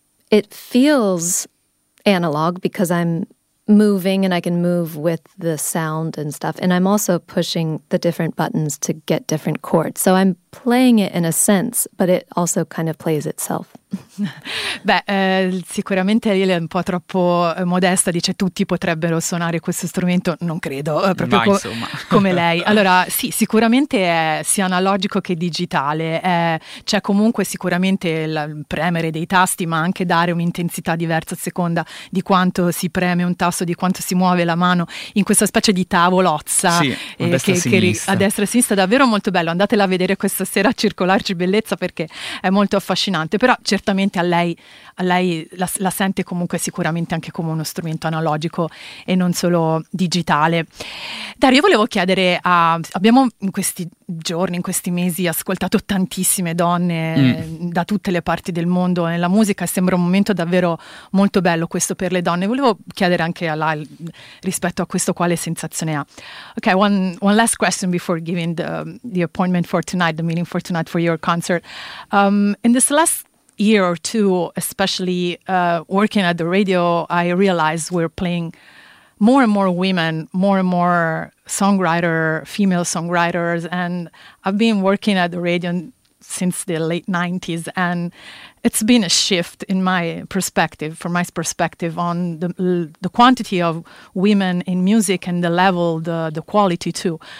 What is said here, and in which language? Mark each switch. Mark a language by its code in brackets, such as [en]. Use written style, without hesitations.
[en] it feels analog because I'm moving and I can move with the sound and stuff, and I'm also pushing the different buttons to get different chords, so I'm playing it in a sense, but it also kind of plays itself. [it] Beh, sicuramente Lyle è un po' troppo modesta, dice tutti potrebbero suonare questo strumento, non credo, proprio come lei. Allora sì, sicuramente è sia analogico che digitale, c'è comunque sicuramente il premere dei tasti, ma anche dare un'intensità diversa a seconda di quanto si preme un tasto, di quanto si muove la mano in questa specie di tavolozza, a destra e a sinistra, davvero molto bello, andatela a vedere questa sera a Circolarci Bellezza, perché è molto affascinante. Però certamente a lei la sente comunque sicuramente anche come uno strumento analogico e non solo digitale. Dario, io volevo chiedere, abbiamo in questi giorni, in questi mesi, ascoltato tantissime donne da tutte le parti del mondo nella musica, e sembra un momento davvero molto bello questo per le donne. Volevo chiedere anche a lei rispetto a questo quale sensazione ha. [en] Ok, one last question before giving the appointment for tonight, the meeting for tonight for your concert. In this last year or two, especially working at the radio, I realized we're playing more and more women, more and more female songwriters, and I've been working at the radio since the late 90s, and it's been a shift in my perspective on the quantity of women in music and the level, the quality too.